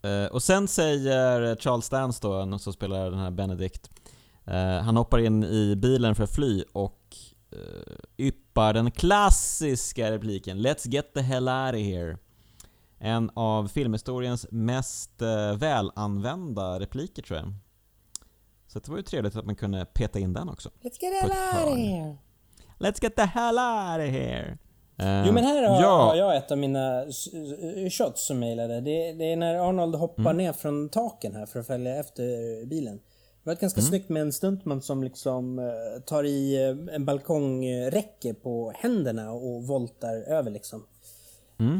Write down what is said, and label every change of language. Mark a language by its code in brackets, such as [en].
[sv] Och sen säger Charles Dance då, som spelar den här Benedict, han hoppar in i bilen för att fly och yppar den klassiska repliken [en] "Let's get the hell out of here." [sv] En av filmhistoriens mest välanvända repliker, tror jag. Så det var ju trevligt att man kunde peta in den också. [en] Let's get the hell out of here. Let's get the hell out of here. [sv] Jo, men här har, ja, har jag ett av mina shots som mejlade. Det är när Arnold hoppar ner från taken här för att följa efter bilen. Det var ganska snyggt med en stuntman som liksom tar i en balkongräcke på händerna och voltar över liksom. Mm.